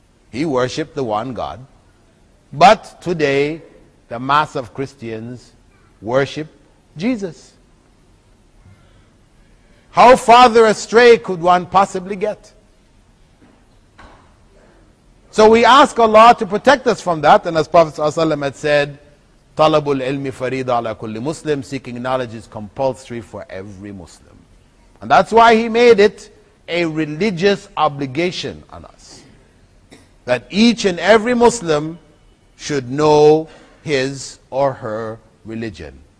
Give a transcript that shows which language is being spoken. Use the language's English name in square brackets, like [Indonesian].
[English] He worshipped the one God. But today, the mass of Christians worship Jesus. How farther astray could one possibly get? So we ask Allah to protect us from that. And as Prophet ﷺ had said, [Arabic] طَلَبُ الْعِلْمِ فَرِيدَ عَلَىٰ كُلِّ مُسْلِمِ. [English] Seeking knowledge is compulsory for every Muslim. And that's why he made it a religious obligation on us. That each and every Muslim should know his or her religion.